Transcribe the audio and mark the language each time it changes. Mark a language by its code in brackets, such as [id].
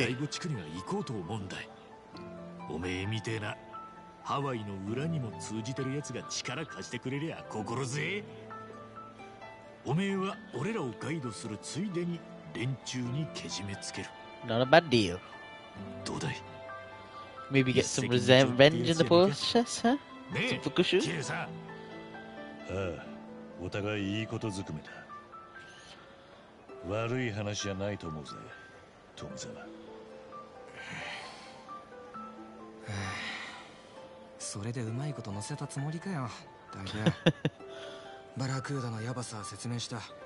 [ja] やっぱり第五地区には行こうと思うんだ。おめえみてえな、ハワイの裏にも通じてるやつが力貸してくれりゃ心強え。おめえは俺らをガイドするついでに連中にけじめつける。 [en] Not a bad deal. [ja] どうだい？ [en] Maybe get some revenge in the process, huh? Some fukushu? Yeah, [ja] お互いいいことづくめだ。悪い話じゃないと思うぜ、トムザマ。それでうまいこと乗せたつもりかよ、ダンキャン。バラクーダのヤバさは説明した。